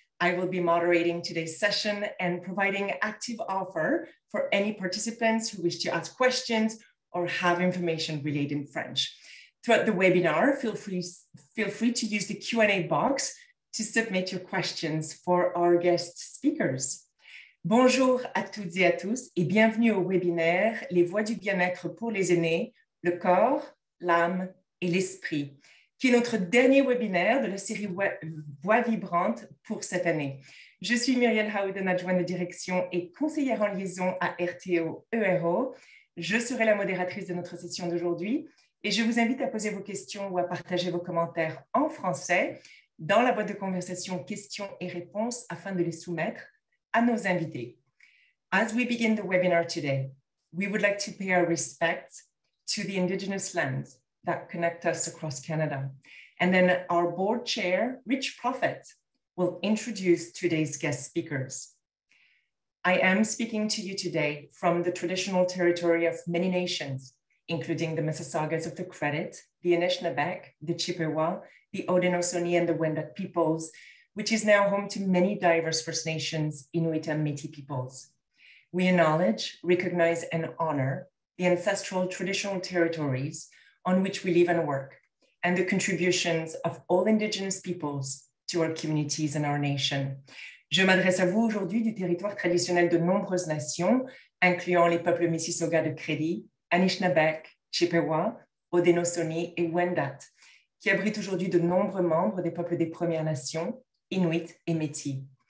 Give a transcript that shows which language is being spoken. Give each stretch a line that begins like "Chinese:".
English: I will be moderating today's session and providing active offer for any participants who wish to ask questions or have information relayed in French. Throughout the webinar, feel free to use the Q&A box to submit your questions for our guest speakers.
French: Bonjour à toutes et à tous et bienvenue au webinaire Les voies du bien-être pour les aînés, le corps, l'âme et l'esprit, qui est notre dernier webinaire de la série Voix vibrante pour cette année. Je suis Muriel Howden, adjointe de direction et conseillère en liaison à RTO ERO. Je serai la modératrice de notre session d'aujourd'hui et je vous invite à poser vos questions ou à partager vos commentaires en français dans la boîte de conversation questions et réponses afin de les soumettre à nos invités.
English: As we begin the webinar today, we would like to pay our respects to the Indigenous lands that connect us across Canada. And then our board chair, Rich Prophet, will introduce today's guest speakers. I am speaking to you today from the traditional territory of many nations, including the Mississaugas of the Credit, the Anishinaabeg, the Chippewa, the Haudenosaunee and the Wendat peoples, which is now home to many diverse First Nations, Inuit and Métis peoples. We acknowledge, recognize and honor the ancestral traditional territories on which we live and work, and the contributions of all Indigenous peoples to our communities and our nation.
French: Je m'adresse à vous aujourd'hui du territoire traditionnel de nombreuses nations, incluant les peuples Mississauga de Credit, Anishinaabeg, Chippewa, Haudenosaunee et Wendat, qui abritent aujourd'hui de nombreux membres des peuples des Premières Nations, Inuit et Métis.